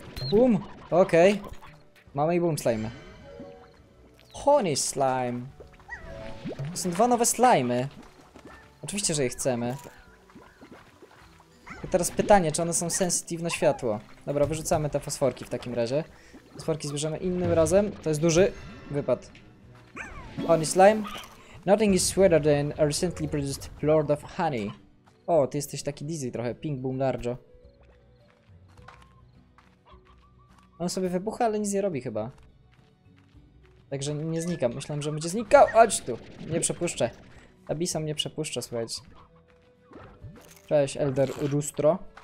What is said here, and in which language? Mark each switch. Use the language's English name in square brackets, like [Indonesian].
[Polish] Boom, okej. Okay. Mamy i boom slime. Honey slime. To są dwa nowe slimy. Oczywiście, że je chcemy. I teraz pytanie, czy one są sensitive na światło. Dobra, wyrzucamy te fosforki w takim razie. Fosforki zbierzemy innym razem. To jest duży wypad. Honey slime. [English] Nothing is sweeter than a recently produced lord of honey. [Polish] O, ty jesteś taki dizzy trochę. [English] Pink boom larger. [Polish] On sobie wybucha, ale nic nie robi chyba. Także nie znikam. Myślałem, że będzie znikał. Chodź tu. Nie przepuszczę. Abisom nie przepuszczę, słuchajcie. Cześć, Elder Rustro.